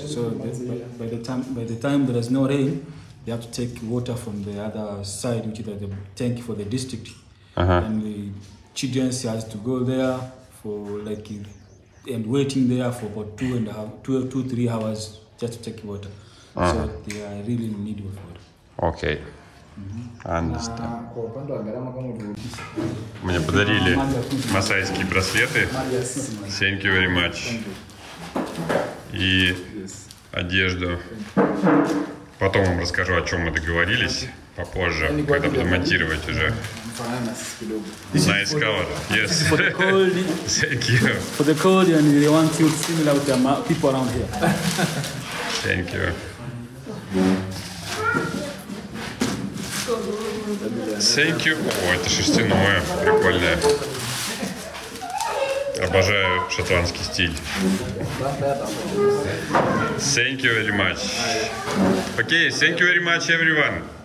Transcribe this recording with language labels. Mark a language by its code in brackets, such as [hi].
[en] So by the time there is no rain, they have to take water from the other side, which is the tank for the district. Uh-huh. And the children has to go there for like and waiting there for about two, three hours just to take water. Uh-huh. So they are really in need of water. Okay. Understand. [ru] Мне подарили масайские браслеты. [en] Thank you very much. [ru] И одежду. Потом вам расскажу, о чем мы договорились. Попозже, когда буду монтировать уже. [en] Nice color. Yes. Thank you. For the cold and they want to similar with the people around here. Thank you. Thank you. [ru] О, это шерстяное, прикольное. Обожаю шотландский стиль. [en] Thank you very much. Okay, thank you very much, everyone.